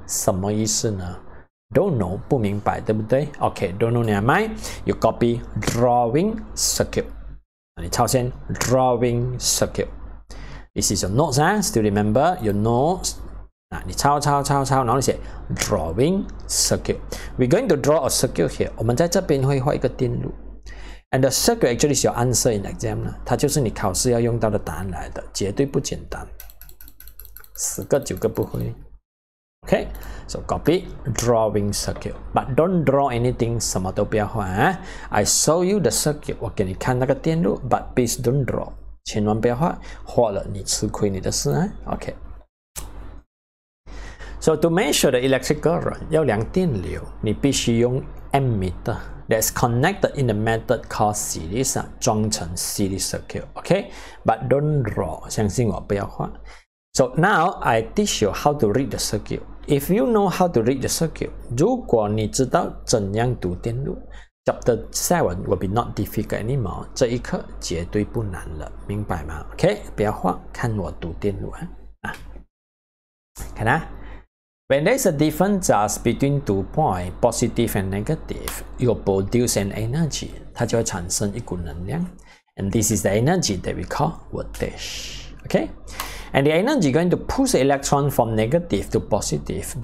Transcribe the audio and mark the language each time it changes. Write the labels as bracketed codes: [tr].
[zh] 什么意思呢 [en] ?Don't know, [zh] 不明白对不对 [en] ?OK, don't know, never mind, you copy drawing circuit, [zh] 你抄先 [en] drawing circuit, this is your notes, still remember your notes, [zh] 你抄抄抄抄然后你写 [en] drawing circuit, we're going to draw a circuit here, [zh] 我们在这边会画一个电路。 [en] And the circuit actually is your answer in exam. [zh] 它就是你考试要用到的答案来的，绝对不简单，十个九个不会。 [en] Okay, so copy drawing circuit, but don't draw anything. [zh] 什么都不要画啊。 [en] I show you the circuit. [zh] 我给你看那个电路 ， [en] but please don't draw. [zh] 千万不要画，画了你吃亏你的事啊。 [en] Okay. So to measure the electric current, [zh] 要量电流，你必须用 [en] ammeter. That's connected in the method called series, [zh] 装成 [en] series circuit, okay? But don't draw, [zh] 相信我不要画。 [en] So now, I teach you how to read the circuit. If you know how to read the circuit, [zh] 如果你知道怎样读电路, [en] Chapter 7 will be not difficult anymore. [zh] 这一课绝对不难了,明白吗? Okay, 不要画,看我读电路啊。看啊。 [en] When there's a difference between two points, positive and negative, you will produce an energy. [zh] 它就会产生一股能量。 [en] And this is the energy that we call voltage. Okay? And the energy is going to push electron from negative to positive.